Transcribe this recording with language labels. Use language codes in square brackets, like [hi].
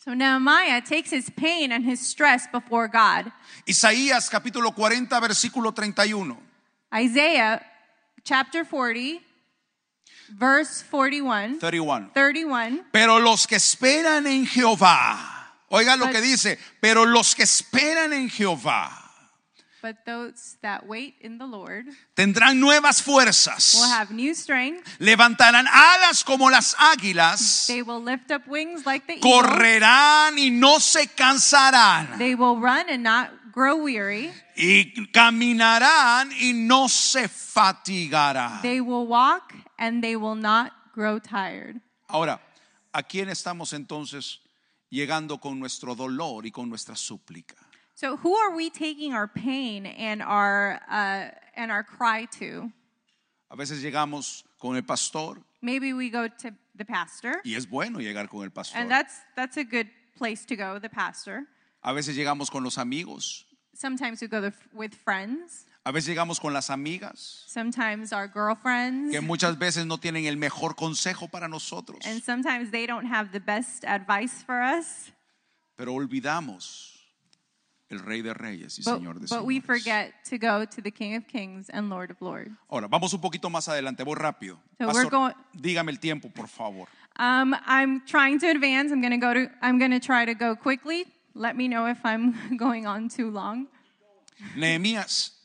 [en] So Nehemiah takes his pain and his stress before God. [es] Isaías capítulo 40 versículo 31. [en] Isaiah chapter 40 verse 41. 31. [es] Pero los que esperan en Jehová. Oiga lo que dice, pero los que esperan en Jehová. [en] But those that wait in the Lord [es] tendrán nuevas fuerzas. [en] Will have new strength. [es] Levantarán alas como las águilas. [en] They will lift up wings like the [es] correrán [en] eagle. [es] Y no se cansarán. [en] They will run and not grow weary. [es] Y caminarán y no se fatigarán. [en] They will walk and they will not grow tired. [es] Ahora, ¿a quién estamos entonces llegando con nuestro dolor y con nuestra súplica? [en] So who are we taking our pain and our cry to? [es] A veces llegamos con el pastor. [en] Maybe we go to the pastor. [es] Y es bueno llegar con el pastor. [en] And that's a good place to go, the pastor. [es] A veces llegamos con los amigos. [en] Sometimes we go with friends. [es] A veces llegamos con las amigas. [en] Sometimes our girlfriends. [es] Que muchas veces no tienen el mejor consejo para nosotros. [en] And sometimes they don't have the best advice for us. [es] Pero olvidamos el Rey de Reyes y Señor de Señores. [en] But we forget to go to the King of Kings and Lord of Lords. [es] Ahora, vamos un poquito más adelante. Voy rápido. [en] So Pastor, we're going, [es] dígame el tiempo, por favor. [en] I'm trying to advance. I'm going to try to go quickly. Let me know if I'm going on too long. [es] Nehemías.